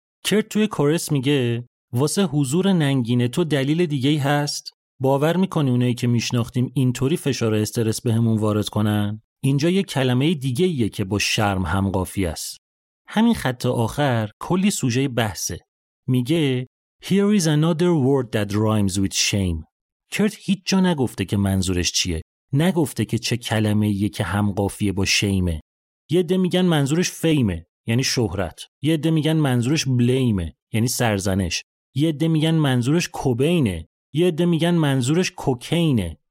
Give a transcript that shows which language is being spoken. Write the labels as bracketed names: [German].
[Persian] کرت توی کورس میگه واسه حضور ننگینه تو دلیل دیگه‌ای هست؟ باور میکنی اونایی که میشناختیم اینطوری فشار استرس بهمون وارد کنن؟ اینجا یه کلمه دیگه‌ایه که با شرم هم قافی است. همین خط آخر کلی سوژه بحثه. میگه [English] Here is another word that rhymes with shame. [Persian] کرت هیچ جا نگفته که منظورش چیه. نگفته که چه کلمه‌ایه که هم قافیه با شیمه. یه عده میگن منظورش فیمه یعنی شهرت. یه عده میگن منظورش بلیمه یعنی سرزنش. یه عده میگن منظورش کوبینه. یه عده میگن منظورش کوکینه.